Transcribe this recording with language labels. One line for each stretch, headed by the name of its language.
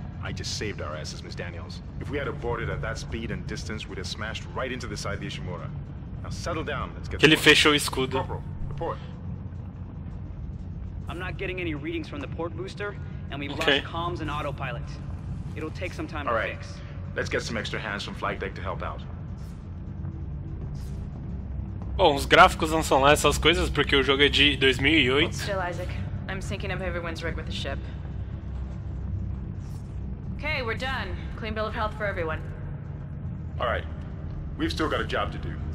English: I just saved our asses, Miss Daniels. If we had aborted at that speed and distance, we'd have smashed right into the side of the Ishimura. Now settle down, let's get
Portuguese: the ele fechou o escudo.
English: Corporal, report. I'm not getting any readings from the port booster, and we've lost comms and autopilot. It'll take some time fix. Let's get some extra hands from flight deck to help out.
Portuguese: Bom, os gráficos não são lá essas coisas, porque o jogo é de 2008.
English: Still, Isaac. I'm syncing up everyone's rig with the ship. Okay, we're done. Clean bill of health for everyone. All right. We've still got a job to do.